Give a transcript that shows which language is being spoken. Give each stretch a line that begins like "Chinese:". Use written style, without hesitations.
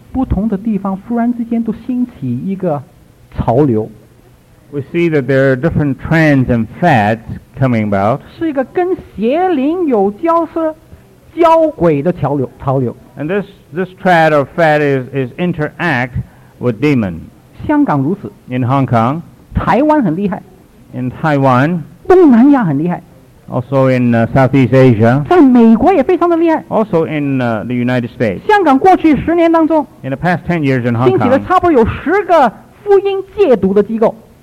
Chinese: 不同的地方忽然之间都兴起一个潮流
English: We see that there are different trends and fads coming about.
Chinese: 是一个跟邪灵有交涉交轨的潮流潮流。
English: And this trend or fad is interact with demon.
Chinese: 香港如此。
English: In Hong Kong.
Chinese: 台湾很厉害。
English: In Taiwan.
Chinese: 东南亚很厉害。
English: Also in Southeast Asia.
Chinese: 在美国也非常的厉害。
English: Also in the United States.
Chinese: 香港过去十年当中。
English: In the past 10 years in Hong Kong.
Chinese: 兴起了差不多有十个福音戒毒的机构。